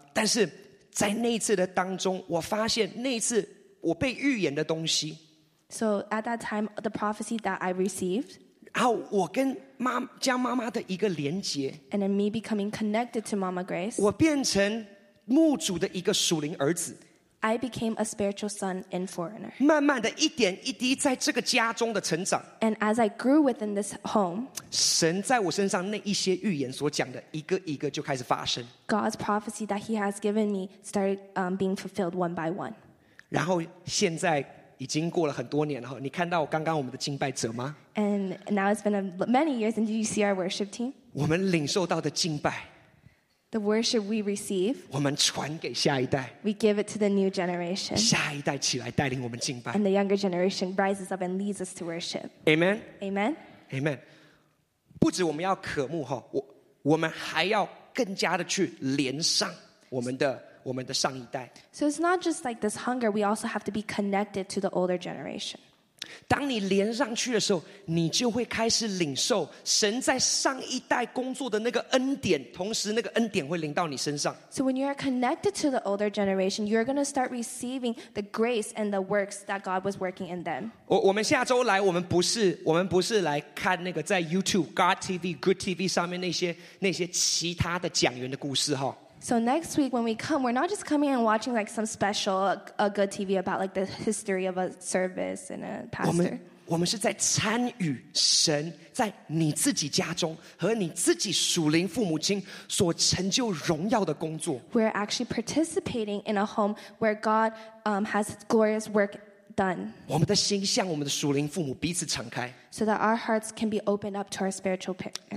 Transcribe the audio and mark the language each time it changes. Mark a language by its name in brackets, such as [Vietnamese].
[Chinese] 但是在那一次的当中，我发现那一次。我被预言的东西。 [English] So at that time, the prophecy that I received. [Chinese] 然后我跟妈将妈妈的一个连接。 [English] And then me becoming connected to Mama Grace. [Chinese] 我变成牧主的一个属灵儿子。 [English] I became a spiritual son and foreigner. [Chinese] 慢慢的一点一滴在这个家中的成长。 [English] And as I grew within this home. [Chinese] 神在我身上那一些预言所讲的，一个一个就开始发生。 [English] God's prophecy that He has given me started being fulfilled one by one. [Chinese] 然后现在已经过了很多年了，你看到刚刚我们的敬拜者吗 [English] ？And now it's been many years, and did you see our worship team? [Chinese] 我们领受到的敬拜 [English] ，the worship we receive， [Chinese] 我们传给下一代 [English] ，we give it to the new generation， [Chinese] 下一代起来带领我们敬拜 [English] ，and the younger generation rises up and leads us to worship. Amen. Amen. Amen. [Chinese] 不止我们要渴慕哈，我们还要更加的去连上我们的上一代。 [English] So it's not just like this hunger, we also have to be connected to the older generation. [Chinese] 当你连上去的时候，你就会开始领受神在上一代工作的那个恩典，同时那个恩典会临到你身上。 [English] So when you are connected to the older generation, you're going to start receiving the grace and the works that God was working in them. [Chinese] 我们下周来，我们不是来看那个在 YouTube, God TV, Good TV 上面那些其他的讲员的故事哈。 [English] So next week when we come, we're not just coming and watching like some special, a good TV about like the history of a service and a pastor. [Chinese] 我们是在参与神在你自己家中和你自己属灵父母亲所成就荣耀的工作。 [English] We're actually participating in a home where God has glorious work done. [Chinese] 我们的心向我们的属灵父母彼此敞开。 [English] So that our hearts can be opened up to our spiritual parents.